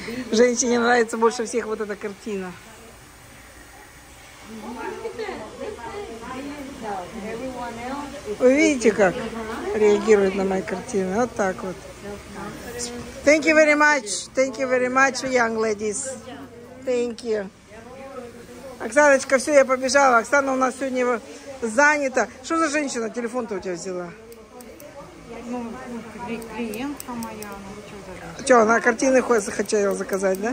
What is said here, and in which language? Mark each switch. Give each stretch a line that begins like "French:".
Russian: Женщине нравится больше всех вот эта картина. Вы видите, как реагирует на мои картины? Вот так вот.
English: Thank you very much. Thank you very much, young ladies. Thank you.
Russian: Оксаночка, все, я побежала. Оксана у нас сегодня занята. Что за женщина? Телефон-то у тебя взяла. Ну, клиентка моя, ну, что за... Что, она картины хоть захотела заказать, да?